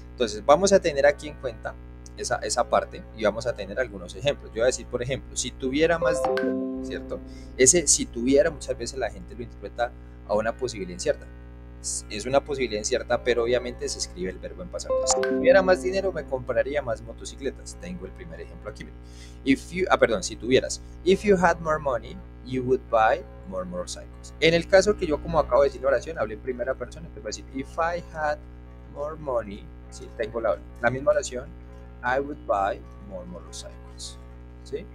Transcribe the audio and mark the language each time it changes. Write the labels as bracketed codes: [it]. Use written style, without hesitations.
[es] Entonces, vamos a tener aquí en cuenta esa parte y vamos a tener algunos ejemplos. Yo voy a decir, por ejemplo, si tuviera más de, ¿cierto? Ese si tuviera, muchas veces la gente lo interpreta a una posibilidad incierta. Es una posibilidad incierta, pero obviamente se escribe el verbo en pasado. Si tuviera más dinero, me compraría más motocicletas. Tengo el primer ejemplo aquí. Si tuvieras. [en] If you had more money, you would buy more motorcycles. [es] En el caso que yo, como acabo de decir la oración, hablé en primera persona, te voy a decir, [en] if I had more money, [es] sí, tengo la misma oración, [en] I would buy more motorcycles. [es] ¿Sí?